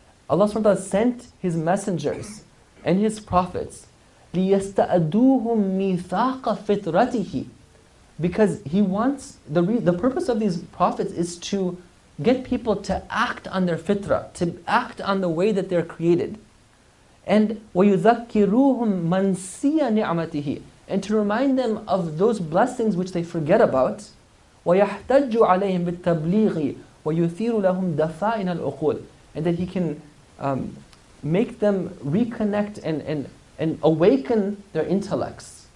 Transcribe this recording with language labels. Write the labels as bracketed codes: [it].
[en] Allah subhanahu wa ta'ala sent his messengers and his prophets [ar] لِيَسْتَأَدُوهُمْ مِيثَاقَ فِطْرَتِهِ. [en] Because he wants, the purpose of these prophets is to get people to act on their fitrah, to act on the way that they're created. [ar] And وَيُذَكِّرُوهُمْ مَنْسِيَ نِعْمَتِهِ. [en] And to remind them of those blessings which they forget about. [ar] وَيَحْتَجُّ عَلَيْهِمْ بِالتَّبْلِيغِ وَيُثِيرُ لَهُمْ دَفَائِنَ الْأُخُودِ. [en] And that he can make them reconnect and awaken their intellects.